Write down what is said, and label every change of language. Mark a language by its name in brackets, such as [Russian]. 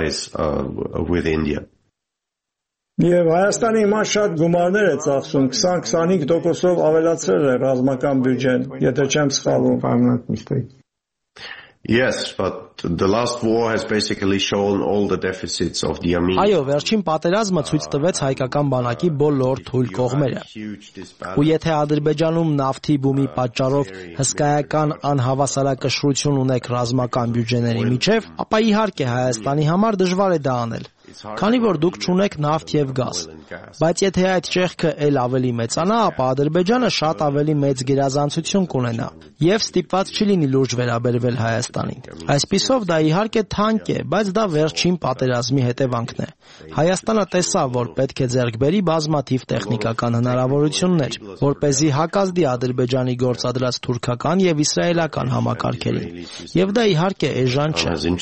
[Armenian] Եվ Հայաստանի հիմա շատ գումարներ է ծախսում, 20-25% ավելացրել է ռազմական բյուջեն, եթե չեմ սխալվում։ [English] Yes, but the last war has basically shown all the deficits of the army. [Armenian] Այո, վերջին պատերազմը ցույց տվեց հայկական բանակի բոլոր թույլ կողմերը։ Ու եթե Ադրբեջանում նավթի բումի պատճառով հսկայական անհավասարակշռություն ունեք ռազմական բյուջեների միջև, ապա իհարկե Հայաստանի համար դժվար է դա անել, քանի որ դուք չունեք նավթ եւ գազ։ Բայց եթե այդ ճեղքը էլ ավելի մեծանա, ապա Ադրբեջանը շատ ավելի մեծ գերազանցություն կունենա եւ ստիպված չլինի լուրջ վերաբերվել Հայաստանին։ Այսպիսով դա իհարկե թանկ է, բայց դա վերջին պատերազմի հետևանքն է։ Հայաստանը տեսավ, որ պետք է ձեռք բերի բազմաթիվ տեխնիկական հնարավորություններ, որպեսզի հակազդի Ադրբեջանի գործադրած թուրքական եւ իսրայելական համակարգերին։ Եվ դա իհարկե էժան չէ։